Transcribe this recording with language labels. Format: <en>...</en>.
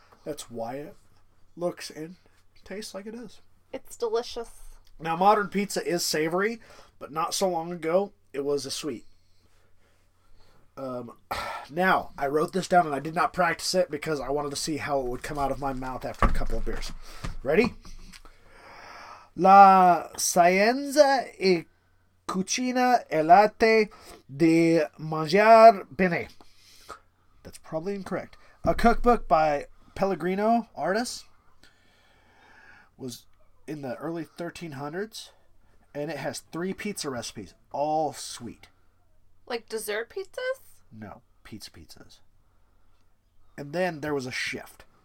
<en>That's why it looks and tastes like it is. It's delicious. Now, modern pizza is savory, but not so long ago, it was a sweet. Now, I wrote this down and I did not practice it because I wanted to see how it would come out of my mouth after a couple of beers. Ready?</en> <it>La scienza e cucina e l'arte di mangiare bene.</it> <en>That's probably incorrect. A cookbook by Pellegrino Artis was in the early 1300s, and it has three pizza recipes, all sweet. Like dessert pizzas? No, pizzas. And then there was a shift.</en>